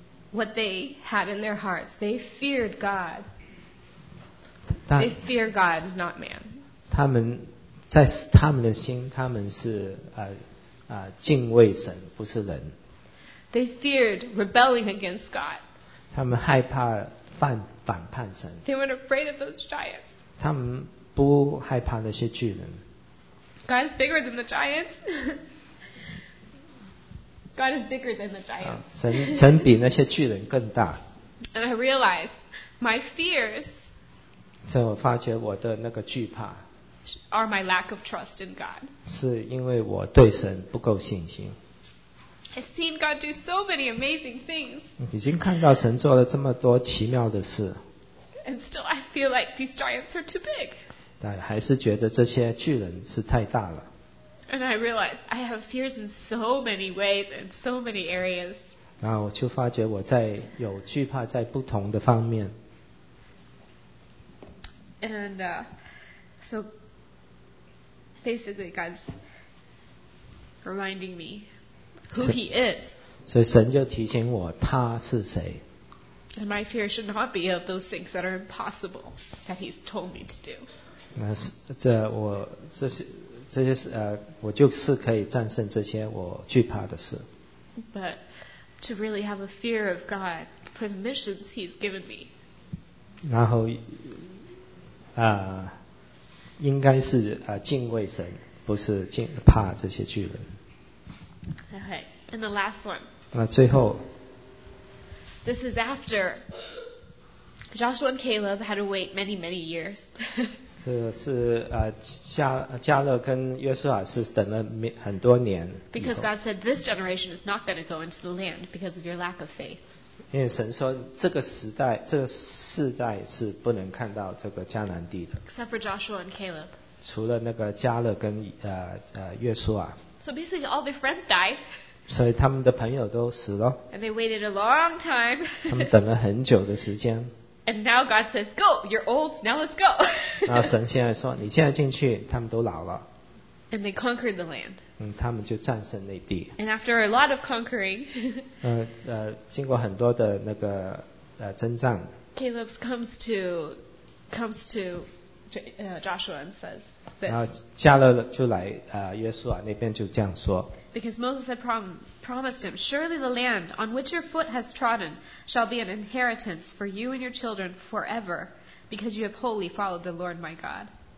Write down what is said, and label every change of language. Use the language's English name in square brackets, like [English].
[English] What they had in their hearts, they feared God. They fear God, not man. [Chinese] 他们在他们的心，他们是敬畏神，不是人。 [English] They feared rebelling against God. [Chinese] 他们害怕反叛神。 [English] They weren't afraid of those giants. [Chinese] 他们不害怕那些巨人。 [English] God is bigger than the giants. God is bigger than the giants. [Chinese] 神比那些巨人更大。 [English] And I realize my fears. [Chinese] 所以我发觉我的那个惧怕 [English] are my lack of trust in God. [Chinese] 是因为我对神不够信心。 [English] I've seen God do so many amazing things. [Chinese] 已经看到神做了这么多奇妙的事。 [English] And still I feel like these giants are too big. [Chinese] 但还是觉得这些巨人是太大了。 [English] And I realize I have fears in so many ways and so many areas. [Chinese] 然后我就发觉我有惧怕在不同的方面。 [English] And so basically God's reminding me who he is. [Chinese] 所以神就提醒我他是谁。 [English] And my fear should not be of those things that are impossible that he's told me to do. [Chinese] 我就是可以战胜这些我惧怕的事。 [English] But to really have a fear of God for the missions He's given me. [Chinese] 然后，啊、应该是啊、敬畏神，不是敬怕这些巨人。 [English] Okay, and the last one. [Chinese] 那最后。 [English] This is after Joshua and Caleb had to wait many, many years. [Chinese] 这是啊、加勒跟约书亚是等了很多年。 [English] Because God said this generation is not going to go into the land because of your lack of faith. [Chinese] 因为神说这个时代、这个世代是不能看到这个迦南地的。 [English] Except for Joshua and Caleb. [Chinese] 除了那个加勒跟约书亚。 [English] So basically, all their friends died. [Chinese] 所以他们的朋友都死了。 [English] And they waited a long time. [Chinese] 他们等了很久的时间。 [English] And now God says, "Go, you're old. Now let's go." [Chinese] 然后神现在说，你现在进去，他们都老了。 [English] And they conquered the land. [Chinese] 嗯，他们就战胜那地。 [English] And after a lot of conquering. [Chinese] 经过很多的那个征战。 [English] Caleb comes to Joshua and says this. [Chinese] 然后加勒就来约书亚那边就这样说。 [English] Because Moses had promised him, surely the land on which your foot has trodden shall be an inheritance for you and your children forever, because you have wholly followed the Lord my God.